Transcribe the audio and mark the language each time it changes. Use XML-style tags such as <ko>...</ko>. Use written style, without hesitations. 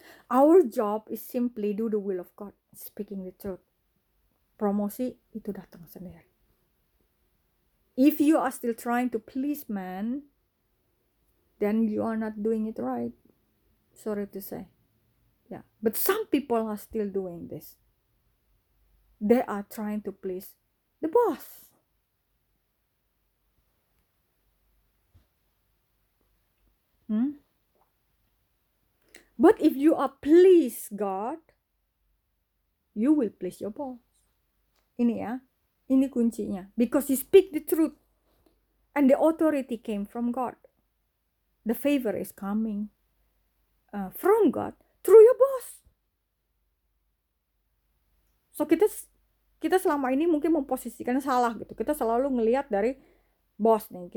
<en>Our job is simply do the will of God, speaking the truth.</en> <id>Promosi itu datang sendiri.</id> <en>If you are still trying to please man, then you are not doing it right. Sorry to say. Yeah. But some people are still doing this. They are trying to please the boss. But if you are please God, you will please your boss.</en> <id>Ini ya. Ini kuncinya.</id> <en>Because you speak the truth. And the authority came from God. The favor is coming from God through your boss.</en> <id>So kita selama ini mungkin memposisikan salah gitu. Kita selalu ngelihat dari bos nih.</id>